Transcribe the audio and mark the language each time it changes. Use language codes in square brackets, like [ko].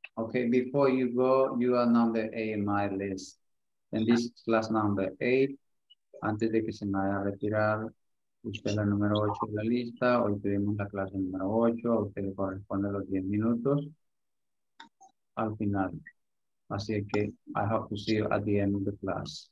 [en] Okay, before you go, you are number 8 in my list. And this is class number 8. [es] Antes de que se me vaya a retirar, usted es la número 8 de la lista. Hoy tuvimos la clase número 8. A usted le corresponde los 10 minutos al final. Así que, [en] I hope to see you at the end of the class.